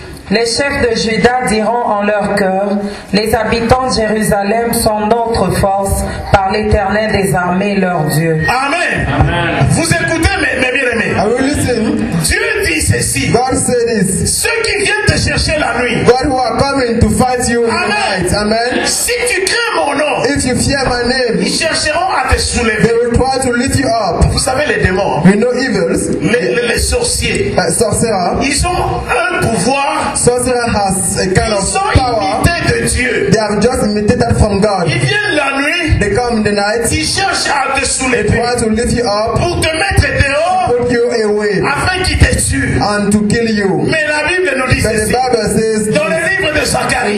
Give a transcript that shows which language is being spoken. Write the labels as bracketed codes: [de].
[fr] Les chefs de Juda diront en leur cœur, les habitants de Jérusalem sont notre force par l'Éternel des armées, leur Dieu. Amen. Amen. Vous écoutez mes bien-aimés. [en] I will listen. [fr] Dieu dit ceci. [en] God said this. [fr] Ceux qui viennent te chercher la nuit. [en] God who are coming to fight you in the night. Amen. [fr] Si tu crains mon nom. [en] If you fear my name. [fr] Ils chercheront à te soulever. [en] They will try to lift you up. [fr] Vous savez les démons. [en] You know evils. [fr] Les sorciers. [en] Sorcerers. [fr] Ils ont un pouvoir. [en] Sorcerer has a kind of power. [fr] De Dieu. [en] They have just imitated that from God. [fr] Ils viennent la nuit. [en] They come in the night. [fr] Ils cherchent à te soulever. [en] They try to lift you up. [fr] Pour te mettre dehors. [en] To put you away. [fr] Afin qu'ils te tuent. [en] And to kill you. [fr] Mais la Bible nous dit ceci. [en] The Bible says. [fr] Dans le livre de Zacharie.